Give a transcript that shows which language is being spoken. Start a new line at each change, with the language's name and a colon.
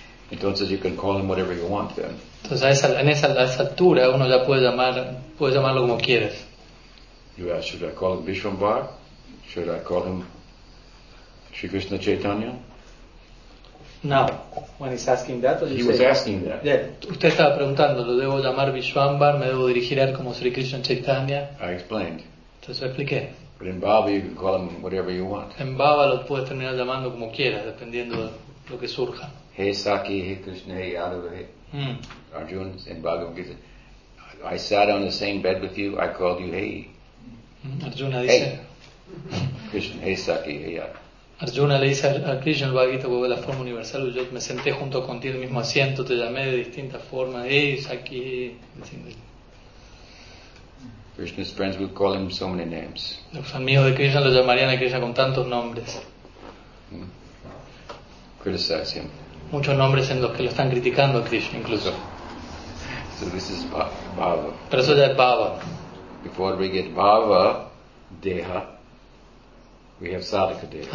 English: Entonces you can call him whatever you want then.
Spanish: Entonces a esa altura uno ya puede llamarlo como quieres.
English: Yeah, should I call him Vishwambar? Should I call him Sri Krishna Chaitanya? No, when he's asking that, he was asking that.
Spanish: Yeah, usted estaba preguntando, ¿lo debo llamar Vishwambar? ¿Me debo dirigir a él como Sri Krishna Chaitanya?
English: I explained.
Spanish: Entonces lo expliqué.
English: But in Baba you can call him whatever you want.
Spanish: En Baba lo puedes terminar llamando como quieras, dependiendo de lo que surja.
English: Hey Saki, hey Krishna, hey Yadav, hey Arjuna, in Bhagavad Gita. I sat on the same bed with you, I called you hey.
Spanish: Arjuna dice.
English: Hey. Krishna, hey Saki, hey Yadav.
Spanish: Arjuna le dice a Krishna, el Bhagavad Gita, la forma universal, yo me senté junto contigo en el mismo asiento, te llamé de distintas formas, hey Saki, hey.
English: Krishna's friends would call him so many names.
Spanish: Los amigos de Krishna lo llamarían a Krishna con tantos nombres.
English: Criticize him.
Spanish: Muchos nombres en los que lo están criticando a Krishna, incluso.
English: So this is Bhava.
Spanish: Pero eso ya es Bhava.
English: Before we get Bhava, Deha, we have Sadhaka Deha.